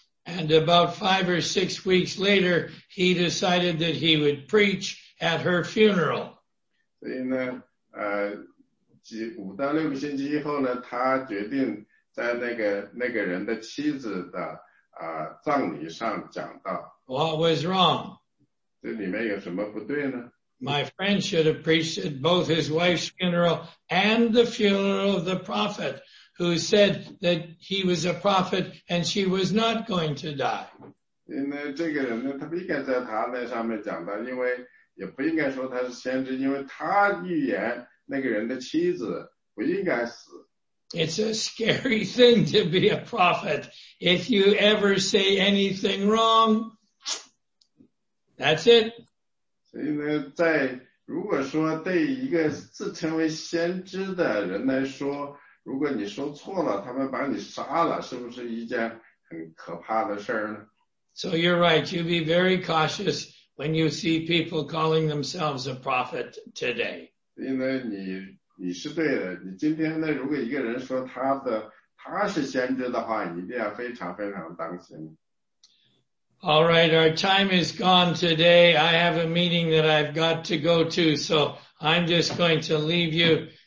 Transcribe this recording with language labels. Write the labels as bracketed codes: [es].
[en] And about 5 or 6 weeks later, he decided that he would preach at her funeral. [zh] 所以呢，5到6个星期以后呢，他决定在那个人的妻子的葬礼上讲道。 [en] What was wrong? [zh] 这里面有什么不对呢？ [en] My friend should have preached at both his wife's funeral and the funeral of the prophet. Who said that he was a prophet and she was not going to die. [zh] 因为这个人呢，他不应该在他那上面讲的，因为也不应该说他是先知，因为他预言那个人的妻子不应该死。 [en] It's a scary thing to be a prophet. If you ever say anything wrong, that's it. [zh] 所以呢，在如果说对一个自称为先知的人来说，如果你说错了，他们把你杀了，是不是一件很可怕的事儿呢？ [en] So you're right. You be very cautious when you see people calling themselves a prophet today. [zh] 所以呢，你是对的。你今天呢，如果一个人说他是先知的话，你一定要非常非常当心。 [en] All right, our time is gone today. I have a meeting that I've got to go to, so I'm just going to leave you.